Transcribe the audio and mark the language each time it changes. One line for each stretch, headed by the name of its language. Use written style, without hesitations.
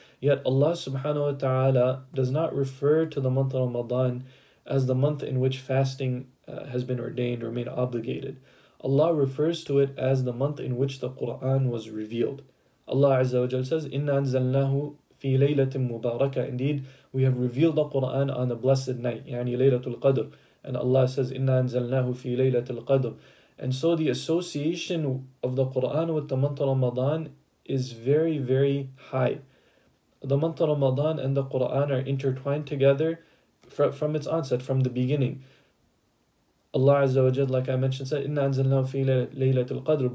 English: Yet Allah subhanahu wa ta'ala does not refer to the month of Ramadan as the month in which fasting has been ordained or made obligated. Allah refers to it as the month in which the Qur'an was revealed. Allah Azza wa Jalla says,
Arabic: إِنَّا أَنزَلْنَاهُ فِي لَيْلَةٍ مُبَارَكَةٍ.
English: Indeed, we have revealed the Qur'an on a blessed night,
Arabic: يعني ليلة القدر.
English: And Allah says,
Arabic: إِنَّا أَنزَلْنَاهُ فِي لَيْلَةِ الْقَدْرِ.
English: And so the association of the Qur'an with the month of Ramadan is very, very high. The month of Ramadan and the Qur'an are intertwined together from its onset, from the beginning. Allah Azza wa Jalla, like I mentioned, said,
Arabic: إِنَّا أَنزَلْنَاهُ فِي لَيْلَةِ الْقَدْرِ.